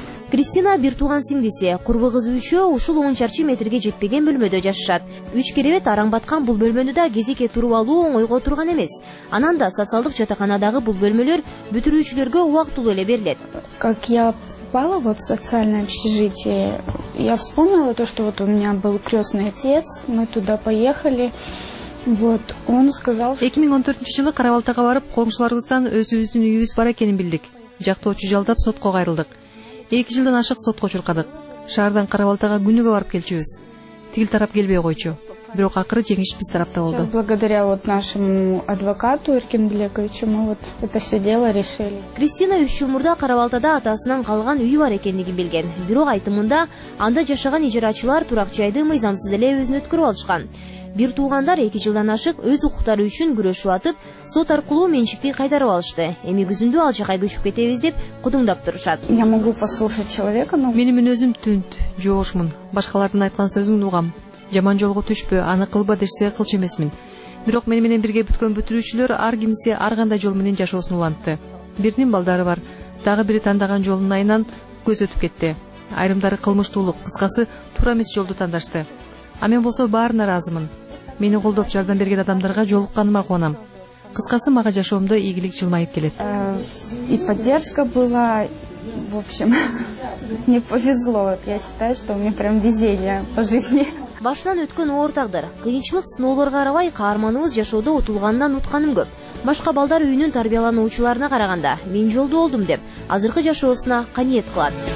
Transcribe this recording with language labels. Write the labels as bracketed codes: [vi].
[ky] Кристина бир тууган сиңдиси, курбу кызы үчөө ушул 10 чарчы метрге жетпеген бөлмөдө жашашат. Үч керебет араң баткан бул бөлмөнү да кезекке туруп алуу оңойго турган эмес. Анан да социалдык жатаканадагы бул бөлмөлөр бүтүрүүчүлөргө убактылуу эле берилет. [ru] Как я попала в социальное общежитие, я вспомнила то, что вот у меня был крестный отец, мы туда поехали. Вот, он сказал, [ky] 2014 жылы Каравалтага барып, коңшуларыбыздан өзүбүздүн үйүбүз бар экенин билдик. Жактоочу жалдап сотко кайрылдык. 2 жылдан ашык сотко чуркадык. Шаардан Каравалтага күнүгө барып келчүбүз. Тигил тарап келбей койчу. Бирок акыры жеңиш биз тарапта болду. [ru] Благодаря вот нашему адвокату Эркин Блековичу мы вот это все дело решили. [ky] Кристина 3 жыл мурда Каравалтада атасынан калган үйү бар экендигин билген. Бирок айтымында анда жашаган ижарачылар турак жайды мыйзамсыз эле өзүнөткөрүп алышкан. Бир туугандар 2 жылдан ашык өз укуктары үчүн күрөшүп атып, сот аркылуу менчикти кайтарып алышты. Эми күзүндө ал жакка көчүп кетебиз деп кудуңдап турушат. [ru] Я могу послушать человека, но [ky] менин мүнөзүм түнт, жоошмун. Башкалардын айткан сөзүн угам. Жаман жолго түшпө, аны кылба дешсе кылчу эмесмин. Бирок мени менен бирге бүткөн бүтүрүүчүлөр ар кимиси ар кандай жол менен жашоосун улантты. Биринин балдары бар, дагы бири тандаган жолунун айынан көз өтүп кетти. Айрымдары кылмыштуулук, кыскасы туура эмес жолду тандашты. А мен болсо баарына ыраазымын. Мени колдоп жардам берген адамдарга жолукканыма кубанам. Кыскасы мага жашоомдо ийгилик жылмайып келет. [ru] И поддержка была, в общем, мне повезло. Я считаю, что у меня прям везение по жизни. [ky] Башынан өткөн оор тагдыр, кыйынчылык сыноолорго карабай каарманыбыз жашоодо утулгандан утканым көп. Башка балдар үйүнүн тарбиялануучуларына караганда мен жолду болдум деп азыркы жашоосуна каниет кылат.